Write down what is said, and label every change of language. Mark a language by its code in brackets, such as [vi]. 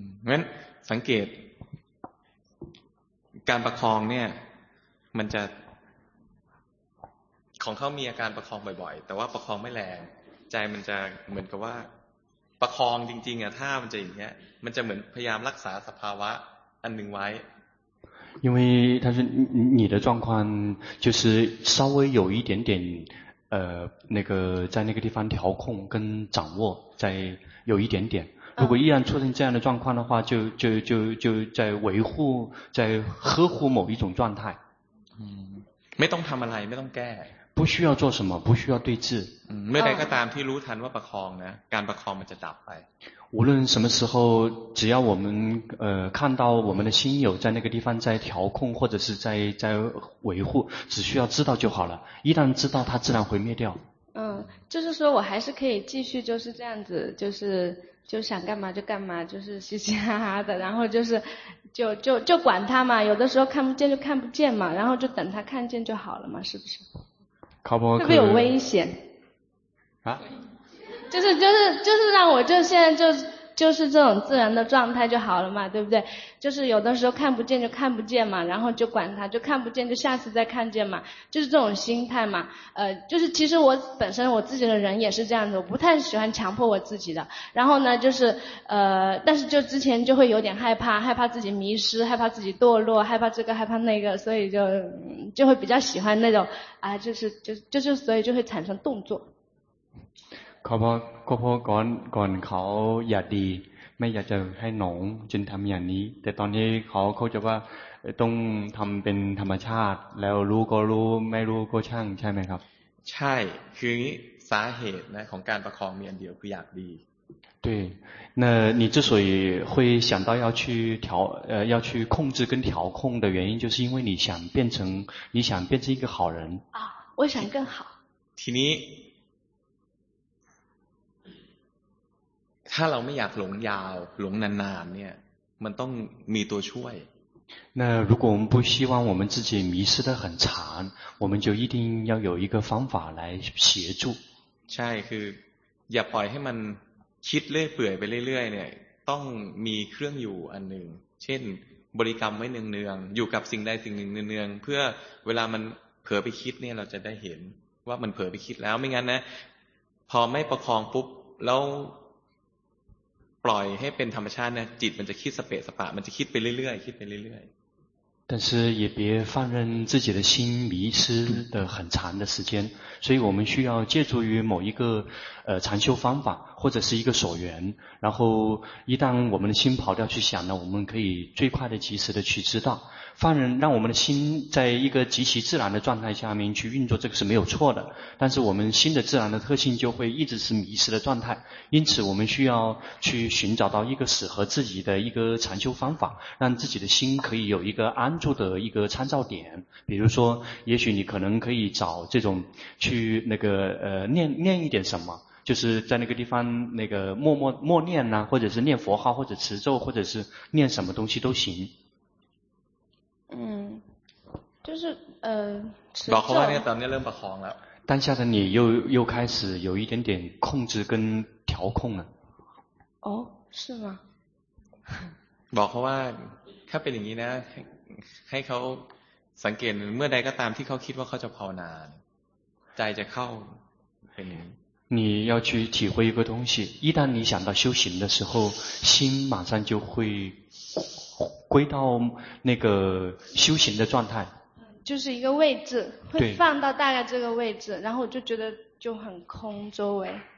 [th] งั้นสังเกตการประคองเนี่ยมันจะของเขามีอาการประคองบ่อยๆแต่ว่าประคองไม่แรงใจมันจะเหมือนกับว่าประคองจริงๆอะถ้ามันจะอย่างเงี้ยมันจะเหมือนพยายามรักษาสภาวะอันหนึ่งไว้ [zh] 因为他说你的状况就是稍微有一点点那个在那个地方调控跟掌握在有一点点如果依然出现这样的状况的话就在维护在呵护某一种状态 [th] 嗯ไม่ต้องทำอะไรไม่ต้องแก้ [zh] 不需要做什么不需要对治 [th] 嗯ไม่ได้ก็ตามที่รู้ทันว่าประคองนะการประคองมันจะดับไป [zh] 无论什么时候只要我们看到我们的心有在那个地方在调控或者是在维护只需要知道就好了一旦知道它自然会灭掉嗯就是说我还是可以继续就是这样子就想干嘛就干嘛就是嘻嘻哈哈的然后就是就管它嘛有的时候看不见就看不见嘛然后就等它看见就好了嘛是不是靠不会不会有危险啊就是让我就现在就是这种自然的状态就好了嘛对不对就是有的时候看不见就看不见嘛然后就管它就看不见就下次再看见嘛就是这种心态嘛就是其实我本身我自己的人也是这样子我不太喜欢强迫我自己的然后呢就是但是就之前就会有点害怕自己迷失害怕自己堕落害怕这个害怕那个所以就会比较喜欢那种啊就是所以就会产生动作 [th] เพราะก่อนเขาอยากดีไม่อยากจะให้หนองจึงทำอย่างนี้แต่ตอนนี้เขาเข้าใจว่าต้องทำเป็นธรรมชาติแล้วรู้ก็รู้ไม่รู้ก็ช่างใช่ไหมครับ ใช่คืออย่างนี้สาเหตุนะของการประคองมีอันเดียวคืออยากดี [zh] 对那你之所以会想到要去调要去控制跟调控的原因就是因为你想变成一个好人啊我想更好 [th] ทีนี้ถ้าเราไม่อยากหลงยาวหลงนานๆเนี่ยมันต้องมีตัวช่วย [zh] 那如果我们不希望我们自己迷失得很长我们就一定要有一个方法来协助 [th] ใช่คืออย่าปล่อยให้มันคิดเรื่อยเปื่อยไปเรื่อยๆเนี่ยต้องมีเครื่องอยู่อันหนึ่งเช่นบริกรรมไว้เนืองๆอยู่กับสิ่งใดสิ่งหนึ่งเนืองๆเพื่อเวลามันเผลอไปคิดเนี่ยเราจะได้เห็นว่ามันเผลอไปคิดแล้วไม่งั้นนะพอไม่ประคองปุ๊บแล้วปล่อยให้เป็นธรรมชาตินะจิตมันจะคิดสเปะสปะมันจะคิดไปเรื่อยๆคิดไปเรื่อย [zh] ๆ但是也别放任自己的心迷失的很长的时间所以我们需要借助于某一个禅修方法或者是一个所缘然后一旦我们的心跑掉去想了我们可以最快的及时的去知道放任让我们的心在一个极其自然的状态下面去运作这个是没有错的但是我们心的自然的特性就会一直是迷失的状态因此我们需要去寻找到一个适合自己的一个禅修方法让自己的心可以有一个安住的一个参照点比如说也许你可能可以找这种去那个念一点什么就是在那个地方那个默念呢，或者是念佛号，或者持咒，或者是念什么东西都行。嗯，就是持咒。把控完了，当然要把控了。当下的你又开始有一点点控制跟调控了。哦，是吗？ [th] บอกเขาว่าถ้าเป็นอย่างนี้นะให้เขาสังเกตเมื่อใดก็ตามที่เขาคิดว่าเขาจะภาวนาใจจะเข้าเป็นอย่าง [zh] นี้你要去体会一个东西一旦你想到修行的时候心马上就会归到那个修行的状态就是一个位置会放到大概这个位置然后就觉得就很空周围